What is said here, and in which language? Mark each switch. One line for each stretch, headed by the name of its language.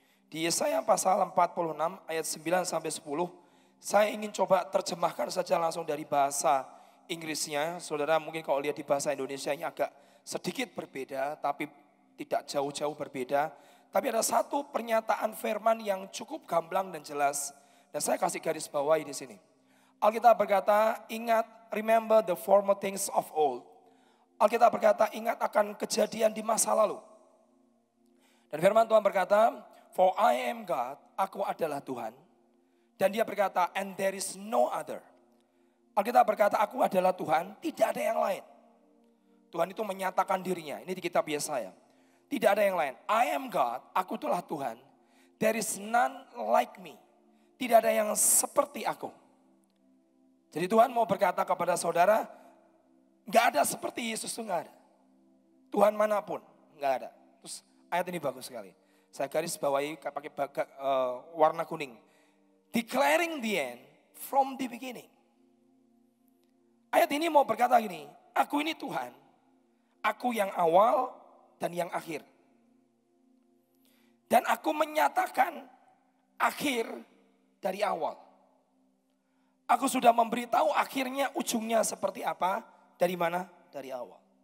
Indonesian: Di Yesaya pasal 46 ayat 9 sampai 10, saya ingin coba terjemahkan saja langsung dari bahasa Inggrisnya. Saudara mungkin kalau lihat di bahasa Indonesia ini agak sedikit berbeda, tapi tidak jauh-jauh berbeda. Tapi ada satu pernyataan firman yang cukup gamblang dan jelas. Dan saya kasih garis bawahi di sini. Alkitab berkata, ingat,
English: remember the former things of old.
Indonesian: Alkitab berkata, ingat akan kejadian di masa lalu. Dan firman Tuhan berkata,
English: for I am God,
Indonesian: aku adalah Tuhan. Dan dia berkata,
English: and there is no other.
Indonesian: Alkitab berkata, aku adalah Tuhan, tidak ada yang lain. Tuhan itu menyatakan dirinya, ini di kitab Yesaya. Tidak ada yang lain.
English: I am God,
Indonesian: aku itulah Tuhan.
English: There is none like me.
Indonesian: Tidak ada yang seperti aku. Jadi Tuhan mau berkata kepada saudara, gak ada seperti Yesus itu, gak ada. Tuhan manapun, gak ada. Terus ayat ini bagus sekali. Saya garis bawahi pakai warna kuning.
English: Declaring the end from the beginning.
Indonesian: Ayat ini mau berkata gini, aku ini Tuhan. Aku yang awal dan yang akhir. Dan aku menyatakan akhir dari awal. Aku sudah memberitahu akhirnya, ujungnya seperti apa, dari mana, dari awal.